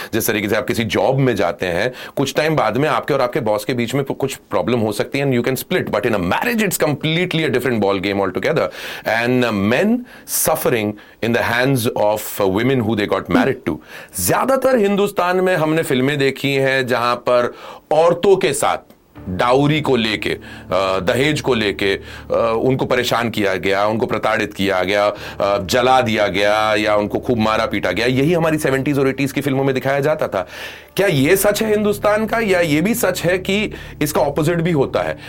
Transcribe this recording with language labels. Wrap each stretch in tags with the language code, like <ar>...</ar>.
<hi>जिस तरीके से आप किसी जॉब में जाते हैं कुछ टाइम बाद में आपके और आपके बॉस के बीच में कुछ प्रॉब्लम हो सकती है</hi> <en>And you can split. But in a marriage it's completely a different ball game altogether.</en> <hi>And</hi> <en>men suffering in the hands of women who they got married to.</en> <hi>ज्यादातर हिंदुस्तान में हमने फिल्में देखी हैं जहां पर औरतों के साथ डाउरी को लेके दहेज को लेके उनको परेशान किया गया, उनको प्रताड़ित किया गया, जला दिया गया या उनको खूब मारा पीटा गया. यही हमारी 70s और 80s की फिल्मों में दिखाया जाता था. क्या ये सच है हिंदुस्तान का या ये भी सच है कि इसका ऑपोजिट भी होता है?</hi>